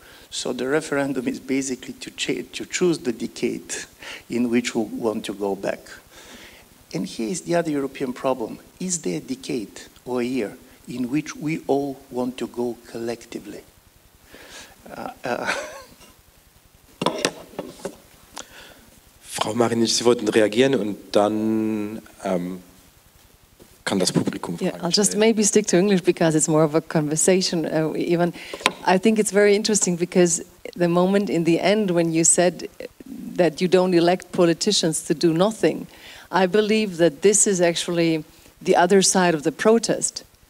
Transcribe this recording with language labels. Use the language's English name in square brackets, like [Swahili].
[English] So the referendum is basically to choose the decade in which we want to go back. And here is the other European problem. Is there a decade or a year in which we all want to go collectively? [German] Frau Marinić, Sie wollten reagieren und dann kann das Publikum fragen. [English] Yeah, I'll just maybe stick to English because it's more of a conversation. Ivan, I think it's very interesting because the moment in the end when you said that you don't elect politicians to do nothing, I believe that this is actually the other side of the protest.